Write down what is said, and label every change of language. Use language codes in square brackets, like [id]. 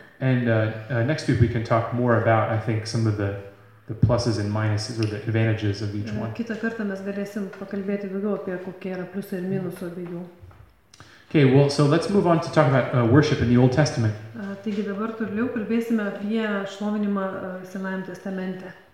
[en] And next week we can talk more about, I think, some of the pluses and minuses or the advantages of each one. [lt] Kitą kartą mes galėsim pakalbėti daugiau apie kokie yra pliusai ir minusai abiejų. [en] Okay, well, so let's move on to talk about worship in the Old Testament. [lt] Taigi dabar toliau kalbėsime apie šlovinimą Senajame Testamente.